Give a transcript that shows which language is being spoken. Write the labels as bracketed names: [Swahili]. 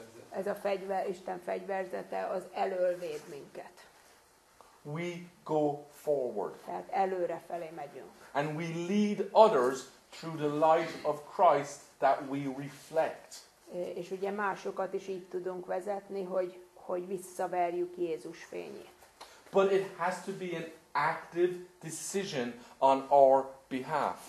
[Hungarian] Ez a fegyver, Isten fegyverzete, az elölvéd minket. [English] We go forward. [Hungarian] Tehát előre felé megyünk. [English] And we lead others through the light of Christ that we reflect. [Hungarian] És ugye másokat is így tudunk vezetni, hogy visszaverjük Jézus fényét. [English] But it has to be an active decision on our behalf.